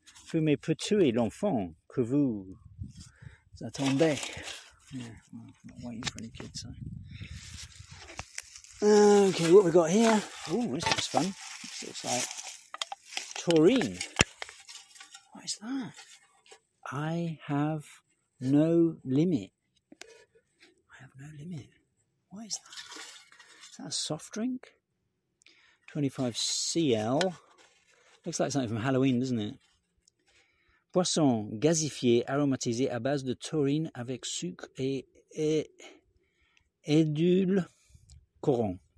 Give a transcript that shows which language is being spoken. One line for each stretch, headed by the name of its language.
French: Vous me pouvez l'enfant que vous attendez.
English: Yeah, well, I'm not waiting for any kids, so. Okay, what we got here? Ooh, this looks fun. This looks like taurine. What is that? I have no limit. I have no limit. What is that? Is that a soft drink? 25 cl. Looks like something from Halloween, doesn't it?
French: Boisson gazifiée aromatisée à base de taurine avec sucre et édulcorant.